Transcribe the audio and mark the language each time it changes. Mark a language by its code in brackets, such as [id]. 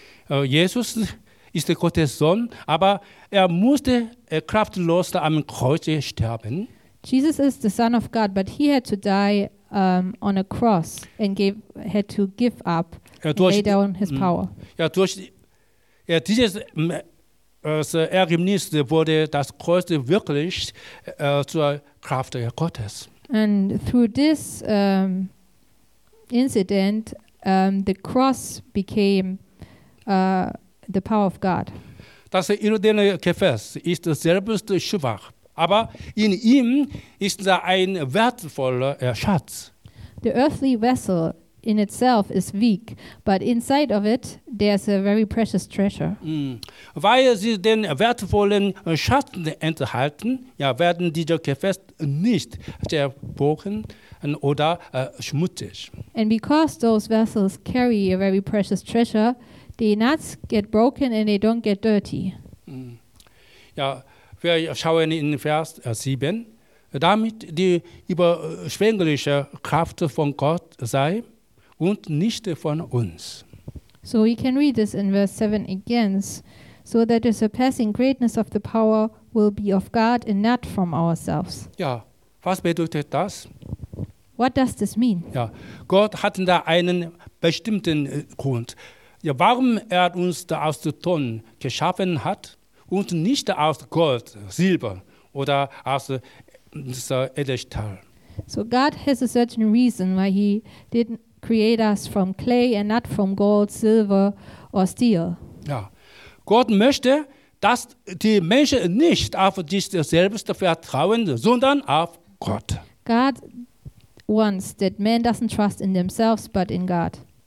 [de] Jesus ist Gottes Sohn, aber er musste kraftlos am Kreuz sterben. [en] Jesus is the Son of God, but he had to die on a cross and had to give up and lay down his power. [de] Ja, durch dieses Ereignis wurde das Kreuz wirklich zur Kraft Gottes. [en] And through this incident, the cross became the power of God. [de] Das irdene Gefäß ist selbst schwach, aber in ihm ist da ein wertvoller Schatz. [en] The earthly vessel in itself is weak, but inside of it there's a very precious treasure. [de] Weil sie den wertvollen Schatz enthalten, werden diese Gefäße nicht zerbrochen oder schmutzig. [en] And because those vessels carry a very precious treasure, they not get broken and they don't get dirty. [de] Wir schauen in Vers 7, damit die überschwängliche Kraft von Gott sei und nicht von uns. [en] So we can read this in verse 7 again, so that the surpassing greatness of the power will be of God and not from ourselves. [de] Ja, was bedeutet das? [en] What does this mean? [de] Ja, Gott hat da einen bestimmten Grund, warum er uns da aus Ton geschaffen hat und nicht aus Gold, Silber oder aus Edelstahl. [en] So God has a certain reason why he didn't create us from clay and not from gold, silver or steel. Ja. [de] Gott möchte, dass die Menschen nicht auf sich selbst vertrauen, sondern auf Gott. [en] God wants that man doesn't trust in themselves, but in God.